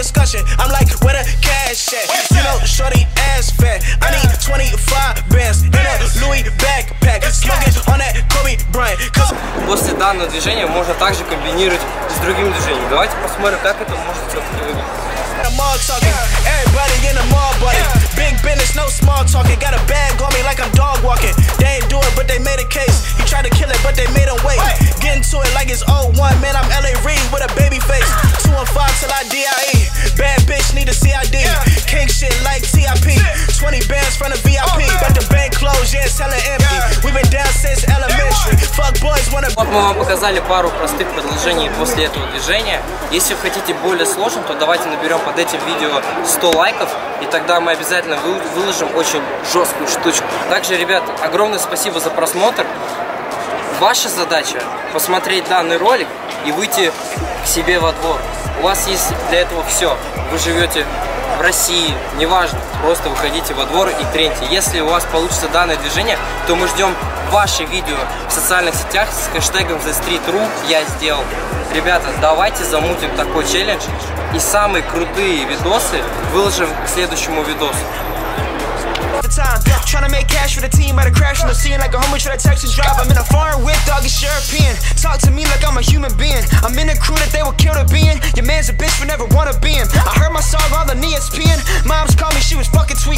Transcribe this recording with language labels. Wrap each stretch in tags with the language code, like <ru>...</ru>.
<en>I'm like, where the cash at? You know, shorty ass fat. I need 25 bands in a Louis backpack. Smoking on that Kobe Bryant.</en> <ru>После данного движения можно также комбинировать с другим движением. Давайте посмотрим, как это может все-таки выглядеть.</ru> <en>Everybody in the mall, buddy. Big business, no small talking. Got a bag on me like I'm dog walking. They ain't do it, but they made a case. You try to kill it, but they made a way. Getting to it like it's 01. Man, I'm L.A. Reid with a baby face. 215 till I D.I.E. Bad bitch need a CID. King shit like T.I.P. 20 bands from the VIP. But the bank closed, yeah, it's hella empty. We've been down since elementary. Fuck boys wanna...</en> <ru>Вот мы вам показали пару простых предложений после этого движения. Если вы хотите более сложным, то давайте наберем под этим видео 100 лайков, и тогда мы обязательно выложим очень жесткую штучку. Также, ребят, огромное спасибо за просмотр. Ваша задача — посмотреть данный ролик и выйти к себе во двор. У вас есть для этого все. Вы живете в России, неважно, просто выходите во двор и треньте. Если у вас получится данное движение, то мы ждем ваши видео в социальных сетях с хэштегом TheStreetRu я сделал. Ребята, давайте замутим такой челлендж и самые крутые видосы выложим к следующему видосу.</ru> <en>Trying to make cash for the team out of crash on the scene like a homie trying to Texas drive. I'm in a foreign whip, dog, it's European. Talk to me like I'm a human being. I'm in a crew that they will kill to be in. Your man's a bitch, but never wanna be him. I heard my song on the ESPN. Moms called me, she was fucking.</en>